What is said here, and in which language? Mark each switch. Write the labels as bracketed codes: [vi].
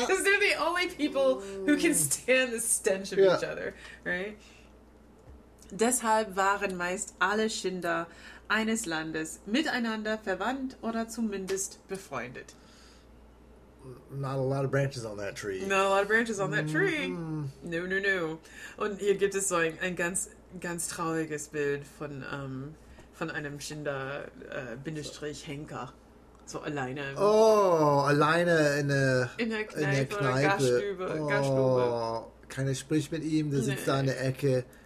[en] Because they're the only people who can stand the stench of each other. Right? [de] Deshalb waren meist alle Schinder eines Landes miteinander verwandt oder zumindest befreundet. [en] Not a lot of branches on that tree. Not a lot of branches on that tree. No, no, no. [de] Und hier gibt es so ein ganz, ganz trauriges Bild von einem Schinder Bindestrich Henker. So alleine. Alleine in der Kneipe. Gaststube. Keiner spricht mit ihm, der sitzt da in der Ecke.